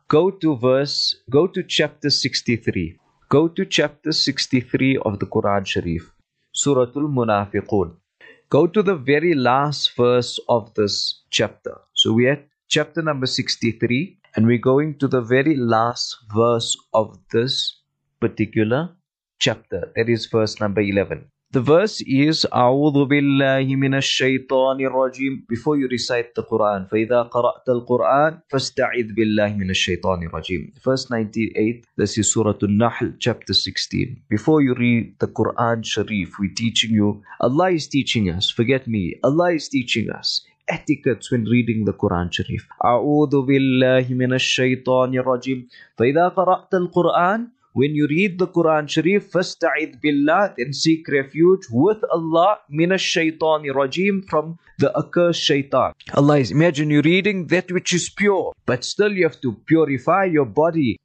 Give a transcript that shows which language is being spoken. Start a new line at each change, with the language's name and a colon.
English: Go to chapter 63. Go to chapter 63 of the Quran Sharif, Suratul Munafiqun. Go to the very last verse of this chapter. So we're at chapter number 63, and we're going to the very last verse of this particular chapter. That is verse number 11. The verse is
Arabic: أعوذ بالله من الشيطان الرجيم.
English: Before you recite the Quran,
Arabic: فإذا قرأت القرآن فاستعذ بالله من الشيطان الرجيم.
English: Verse 98, this is Surah An-Nahl, chapter 16. Before you read the Quran Sharif, we're teaching you, Allah is teaching us, forget me, Allah is teaching us etiquettes when reading the Quran Sharif.
Arabic: أعوذ بالله من الشيطان الرجيم. فإذا قرأت القرآن,
English: when you read the Quran Sharif,
Arabic: فَاسْتَعِذْ بِاللَّهِ,
English: then seek refuge with Allah,
Arabic: مِنَ الشَّيْطَانِ الرَّجِيمِ,
English: from the accursed shaitan. Allah is, imagine you reading that which is pure, but still you have to purify your body.